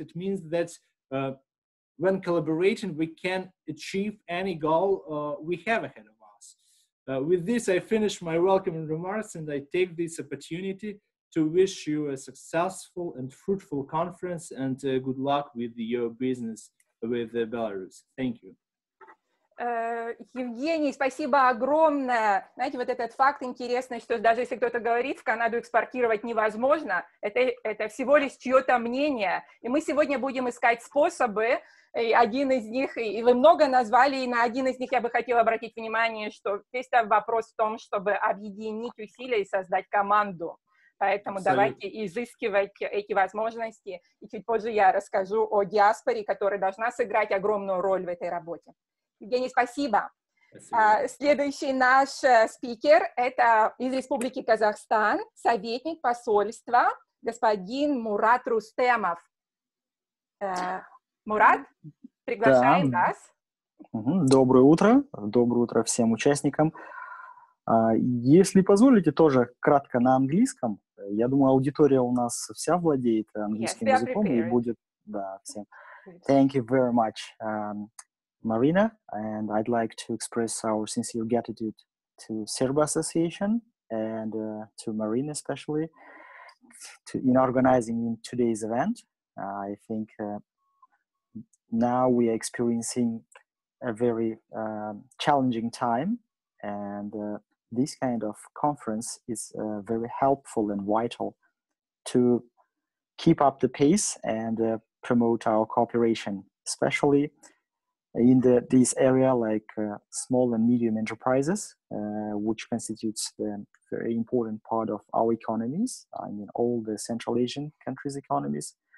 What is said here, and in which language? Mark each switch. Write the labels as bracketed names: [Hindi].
[English] It means that when collaborating, we can achieve any goal we have ahead of us. With this, I finish my welcoming remarks, and I take this opportunity to wish you a successful and fruitful conference, and good luck with your business with Belarus. Thank you. [Russian] Евгений, спасибо огромное. Знаете, вот этот факт интересный, что даже если кто-то говорит, в Канаду экспортировать невозможно, это всего лишь чье-то мнение. И мы сегодня будем искать способы, и один из них, и вы много назвали, и на один из них я бы хотела обратить внимание, что весь вопрос в том, чтобы объединить усилия и создать команду. Поэтому давайте изыскивать эти возможности. И чуть позже я расскажу о диаспоре, которая должна сыграть огромную роль в этой работе. Евгений, спасибо. Следующий наш спикер — это из Республики Казахстан, советник посольства, господин Мурат Рустемов. Мурат, приглашаем вас. Доброе утро. Доброе утро всем участникам. Если позволите, тоже кратко на английском. Я думаю, аудитория у нас вся владеет английским языком. И будет... Да, всем. [English] Thank you very much. Marina, and I'd like to express our sincere gratitude to Serba Association and to Marina especially in organizing today's event. I think now we are experiencing a very challenging time, and this kind of conference is very helpful and vital to keep up the pace and promote our cooperation, especially in this area, like small and medium enterprises, which constitutes the very important part of our economies, I mean, all the Central Asian countries' economies.